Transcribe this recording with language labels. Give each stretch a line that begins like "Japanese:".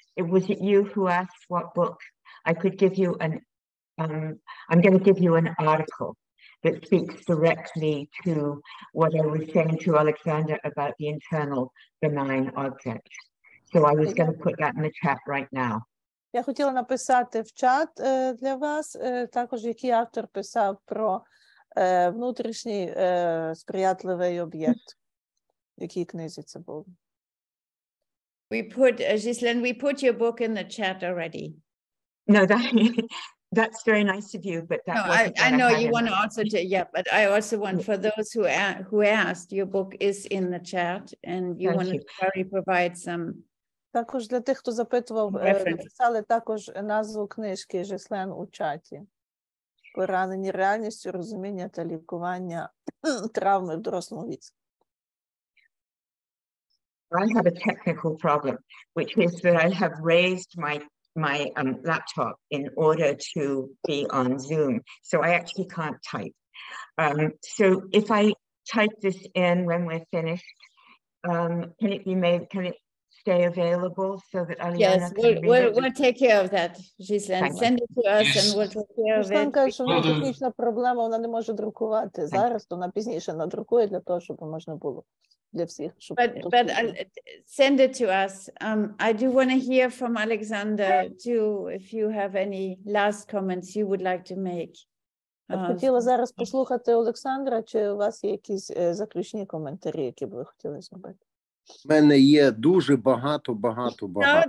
English: It was it you who asked what book? I could give you an, I'm going to give you an article that speaks directly to what I was saying to Oleksandr about the internal benign object. So I was going to put that in the chat right now.
Ukrainian: Я хотіла написати в чат для вас також, який автор писав про внутрішній сприятливий об'єкт.
English: We put, Ghislaine, we put your book in the chat already. No, that's very nice of you, but that no, I know you want to also, but I also want for those who asked, your book is in the chat, and you want to probably provide some. Також для тих, хто запитував, писали також назву книжки Ghislaine у чаті. Поранені реальністю розуміння та лікування травми в дорослому віці. I have a technical problem, which is that I have raised my my laptop in order to be on Zoom. So I actually can't type. So if I type this in when we're finished, can it be made, can it stay available so that Aliana yes, can Yes, we'll take care of that, Ghislaine. Send it to us yes. and we'll take care of it. Ghislaine
Ukrainian: каже, що вона технічна проблема, вона не може друкувати зараз, то вона пізніше надрукує для того, щоб можна було.
English: But send it to us. I do want to hear from Oleksandr too, if you have any last comments you would like to make.
Ukrainian: Хотіла зараз послухати Олександра, чи у вас є якісь заключні коментарі, які ви хотіли зробити? У мене є дуже багато, багато, багато.